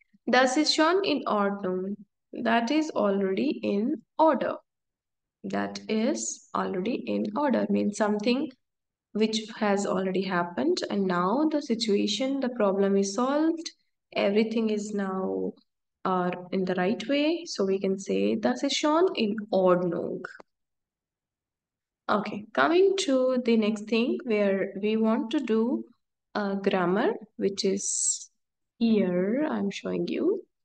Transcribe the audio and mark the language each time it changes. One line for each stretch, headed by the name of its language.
German: Das ist schon in Ordnung.
English: That is already in order. That is already in order. Means something which has already happened. And now the situation, the problem is solved. Everything is now are in the right way. So we can say
German: das ist schon in Ordnung.
English: Okay, coming to the next thing where we want to do a grammar, which is here, I'm showing you.